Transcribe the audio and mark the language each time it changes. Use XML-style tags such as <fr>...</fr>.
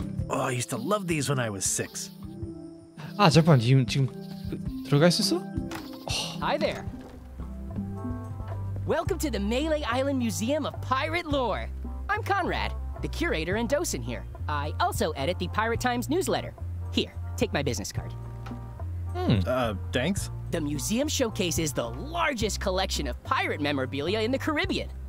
<ko>아,</ko> <en>I used to love these when I was six.</en> <ko>아, 잠깐만 지금 들어갈 수 있어?</ko> <en>Hi there. Welcome to the Malay Island Museum of Pirate Lore. I'm Conrad, the curator and docent here. I also edit the Pirate Times newsletter. Here, take my business card. Thanks. The museum showcases the largest collection of pirate memorabilia in the Caribbean.</en>